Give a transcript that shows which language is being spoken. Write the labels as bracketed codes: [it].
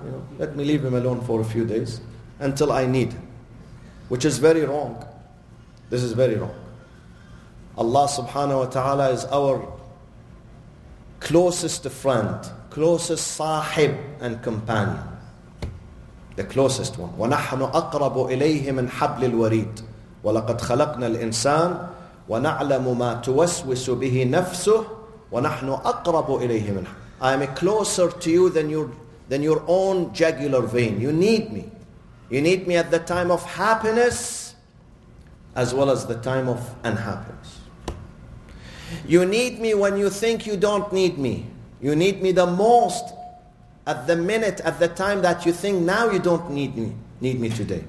[en] You know, let me leave him alone for a few days until I need him. Which is very wrong. This is very wrong. Allah subhanahu wa ta'ala is our closest friend, closest sahib and companion. The closest one. [ar] وَنَحْنُ أَقْرَبُ إِلَيْهِ مِنْ حَبْلِ الْوَرِيدِ وَلَقَدْ خَلَقْنَا الْإِنسَانَ وَنَعْلَمُ مَا تُوَسْوِسُ بِهِ نَفْسُهُ وَنَحْنُ أَقْرَبُ إِلَيْهِ مِنْ حَبْلِ. [en] I am closer to you than your own jugular vein. You need me. You need me at the time of happiness as well as the time of unhappiness. You need me when you think you don't need me. You need me the most at the minute, at the time that you think now you don't need me today.